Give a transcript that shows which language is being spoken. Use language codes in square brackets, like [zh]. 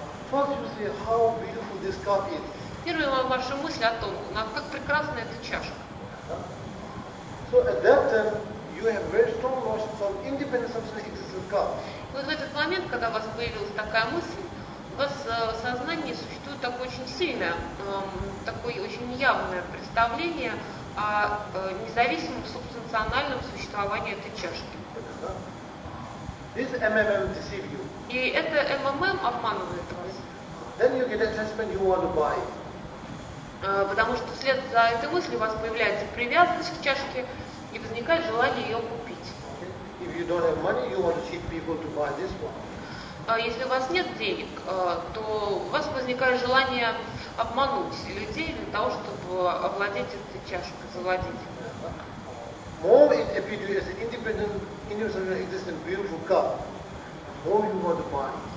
[en] first you see how beautiful this cup is. [ru] Первая ваша мысль о том, как прекрасна эта чашка. [en] So at that time, you have very strong notions of independent substance existence cup. [ru] Вот в этот момент, когда у вас появилась такая мысль, у вас в сознании существует такое очень сильное, такое очень явное представление о независимом субстанциональном существовании этой чашки. [en] This MMM deceive you. [ru] И это MMM обманывает вас. [en] Then you get a attachment you want to buy. [ru] Потому что вслед за этой мыслью у вас появляется привязанность к чашке и возникает желание ее купить. [en] Okay. If you don't have money, you want to cheat people to buy this one. [ru] Если у вас нет денег, то у вас возникает желание обмануть людей для того, чтобы овладеть этой чашкой, завладеть. [en] More it appears as an independent, universal existing beautiful cup, more you want to buy.